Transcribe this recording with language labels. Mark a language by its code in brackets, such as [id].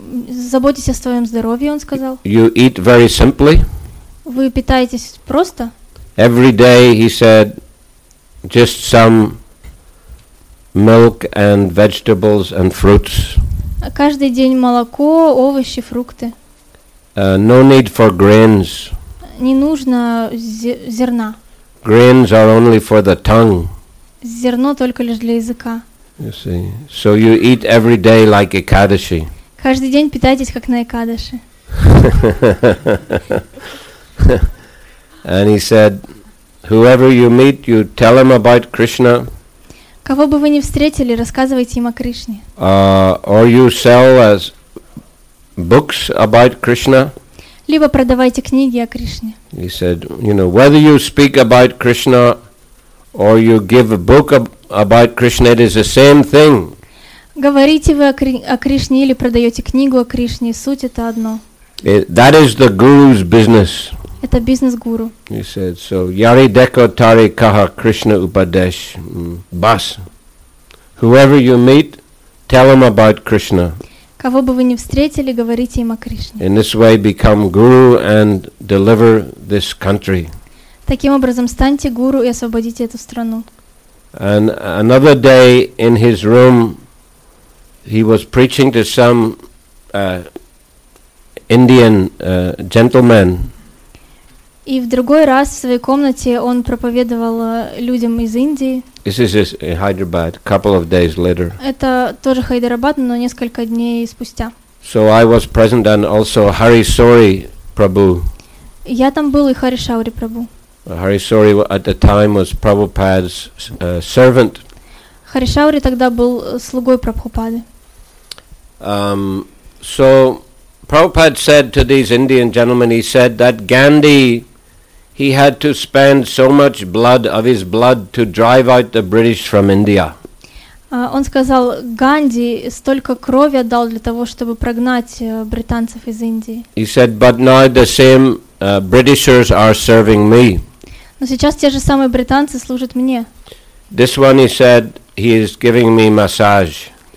[ru] Заботьтесь о своем здоровье, он сказал. [en] You eat very simply. [ru] Вы питаетесь просто. [en] Every day, he said, just some milk and vegetables and fruits. [ru] Каждый день молоко, овощи, фрукты. [en] No need for grains. [ru] Не нужно зерна. [en] Grains are only for the tongue. [ru] Зерно только лишь для языка. [en] You see. So you eat every day like Ekadashi. [ru] Каждый день питайтесь как на Экадаши. [en] And he said, whoever you meet, you tell him about Krishna. [ru] Кого бы вы ни встретили, рассказывайте им о Кришне. [en] Or you sell as books about Krishna. [ru] Либо продавайте книги о Кришне. [en] He said, whether you speak about Krishna or you give a book about Krishna, it is the same thing. [ru] Говорите вы о Кришне или продаете книгу о Кришне, суть это одно. [en] That is the guru's business. [ru] Это бизнес гуру. [en] He said, [bn] so yari deko tari kaha Krishna upadesh. Bas. [en] Whoever you meet, tell him about Krishna. [ru] Кого бы вы ни встретили, говорите им о Кришне. [en] In this way become guru and deliver this country. [ru] Таким образом, станьте гуру и освободите эту страну. [en] And another day in his room, he was preaching to some Indian gentleman. [ru] И в другой раз в своей комнате он проповедовал людям из Индии. [en] This is in Hyderabad, couple of days later. [ru] Это тоже Хайдарабад, но несколько дней спустя. [en] So I was present and also Hari Sori Prabhu. [ru] Я там был и Хари Шаури Прабу. [en] Hari Sori at the time was Prabhupada's servant. [ru] Хари Шаури тогда был слугой Прабхупады. [en] So Prabhupada said to these Indian gentlemen, he said that Gandhi, he had to spend so much blood of his blood to drive out the British from India. [ru] Он сказал, Ганди столько крови отдал для того, чтобы прогнать британцев из Индии. [en] He said, but now the same Britishers are serving me. [ru] Но сейчас те же самые британцы служат мне. [en] This one, he said, he is giving me massage.